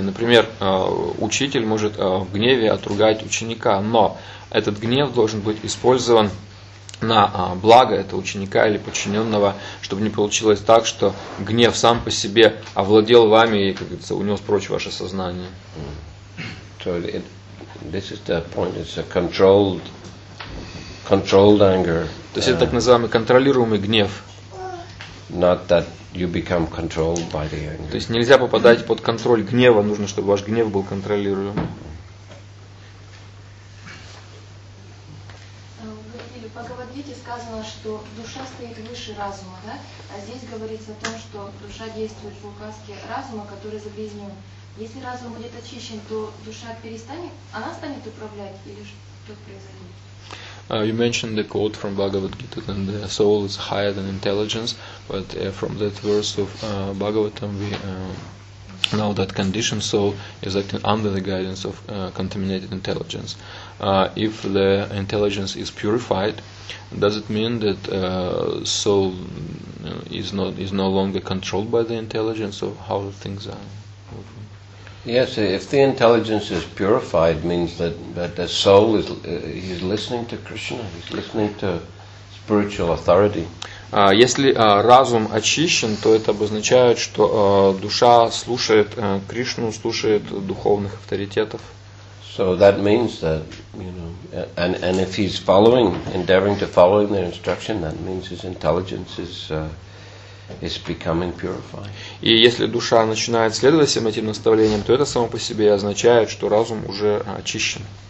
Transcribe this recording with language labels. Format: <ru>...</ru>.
<ru>Например, учитель может в гневе отругать ученика, но этот гнев должен быть использован на благо этого ученика или подчиненного, чтобы не получилось так, что гнев сам по себе овладел вами и, как говорится, унес прочь ваше сознание.</ru> <en>This is the point. It's a controlled anger.</en> <ru>То есть это так называемый контролируемый гнев.</ru> <en>Not that you become controlled by the anger.</en> <ru>То есть нельзя попадать под контроль гнева. Нужно, чтобы ваш гнев был контролируем. Вы говорили, Бхагавад-гите сказано, что душа стоит выше разума, да? А здесь говорится о том, что душа действует по указке разума, который загрязнен. Если разум будет очищен, то душа перестанет, она станет управлять, или что произойдет?</ru> <en>You mentioned the quote from Bhagavad Gita that the soul is higher than intelligence, but from that verse of Bhagavatam we know that conditioned soul is acting under the guidance of contaminated intelligence. If the intelligence is purified, does it mean that soul is no longer controlled by the intelligence, or how things are? Yes, if the intelligence is purified, means that the soul is listening to Krishna, he's listening to spiritual authority.</en> <ru>Если разум очищен, то это обозначает, что душа слушает Кришну, слушает духовных авторитетов.</ru> <en>So that means that, you know, and if he's endeavoring to follow their instruction, that means his intelligence is becoming purified.</en> <ru>И если душа начинает следовать всем этим наставлениям, то это само по себе означает, что разум уже очищен.</ru>